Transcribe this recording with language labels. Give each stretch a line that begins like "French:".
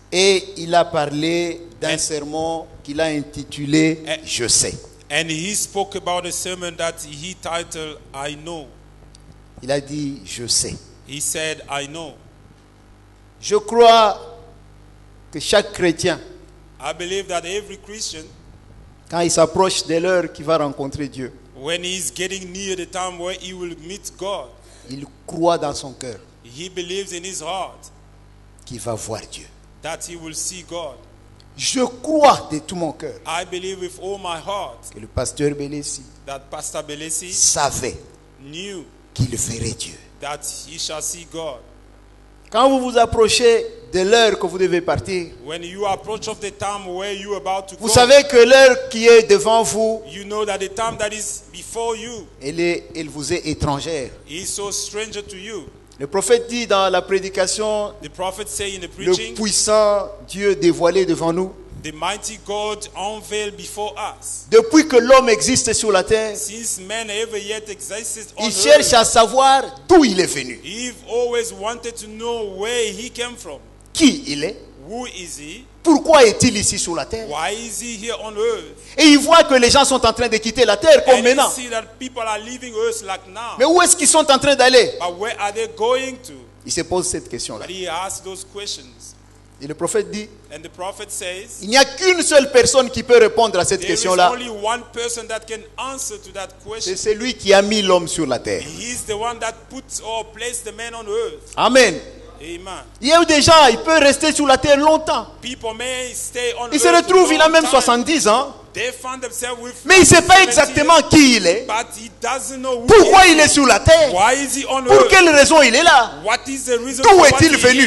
French: Et il a parlé d'un sermon qu'il a intitulé Je sais.
English: And he spoke about a sermon that he titled I know.
French: Il a dit Je sais.
English: He said, I know.
French: Je crois que chaque chrétien,
English: I believe that every Christian,
French: quand il s'approche de l'heure qu'il va rencontrer Dieu,
English: when he is getting near the time where he will meet God,
French: il croit dans son cœur,
English: he believes in his heart,
French: qu'il va voir Dieu,
English: that he will see God.
French: Je crois de tout mon cœur,
English: I believe with all my heart,
French: que le pasteur Bélessi,
English: that Pastor Bélessi,
French: savait,
English: knew,
French: qu'il verrait Dieu.
English: That he shall see God.
French: Quand vous vous approchez de l'heure que vous devez partir,
English: when you approach of the time where you are about to go,
French: vous savez que l'heure qui est devant vous,
English: you know that the time that is before you,
French: elle vous est étrangère.
English: He is so stranger to you.
French: Le prophète dit dans la prédication,
English: the prophet say in the preaching,
French: le puissant Dieu dévoilé devant nous,
English: the mighty God unveiled before us.
French: Depuis que l'homme existe sur la terre,
English: since man ever yet existed on
French: il cherche à savoir d'où il est venu.
English: He've always wanted to know where he came from.
French: Qui il est?
English: Who is he?
French: Pourquoi est-il ici sur la terre?
English: Why is he here on earth?
French: Et il voit que les gens sont en train de quitter la terre comme
English: and
French: maintenant.
English: He see that people are leaving earth like now.
French: Mais où est-ce qu'ils sont en train d'aller?
English: But where are they going to?
French: Il se pose cette question-là.
English: He asks those questions.
French: Et le prophète dit,
English: and the prophet says,
French: il n'y a qu'une seule personne qui peut répondre à cette question-là.
English: There is only one person that can answer to that question.
French: C'est celui qui a mis l'homme sur la terre.
English: He is the one that puts or placed the man on earth.
French: Amen.
English: Amen.
French: Il y a eu des gens, ils peuvent rester sur la terre longtemps.
English: People may stay on
French: il se retrouve, il a même 70 ans.
English: They found themselves with
French: mais il ne sait pas exactement qui il est.
English: But he doesn't know who
French: pourquoi
English: he
French: il est sur la terre.
English: Why is he on
French: pour
English: earth?
French: Quelle raison il est là.
English: What is the reason
French: d'où est-il venu